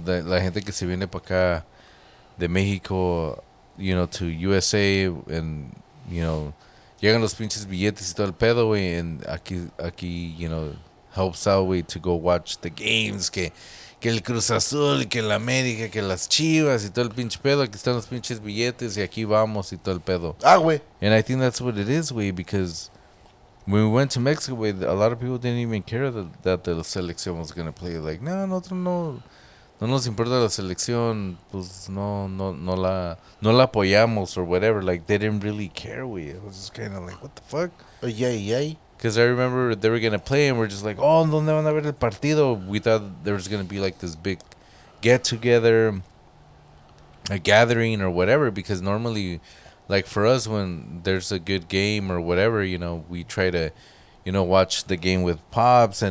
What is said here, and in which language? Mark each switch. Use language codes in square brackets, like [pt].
[es] La gente que se viene para acá de México, [en] you know, to USA, and, you know, [es] llegan los pinches billetes y todo el pedo, we, and aquí, you know, helps out way to go watch the games, que el Cruz Azul, que la América, que las Chivas, y todo el pinche pedo, aquí están los pinches billetes, y aquí vamos, y todo el pedo. Ah, güey. [en] And I think that's what it is, güey, because when we went to Mexico, güey, a lot of people didn't even care that the selección was going to play. [es] Like, no, nosotros no nos importa la selección, pues no la apoyamos, [en] or whatever. Like, they didn't really care, güey. It was just kind of like, what the fuck? Yay. Because I remember they were going to play and we're just like, oh, [es] ¿dónde van a ver el partido? [en] We thought there was going to be like this big get-together, a gathering or whatever. Because normally, like for us, when there's a good game or whatever, you know, we try to, you know, watch the game with Pops.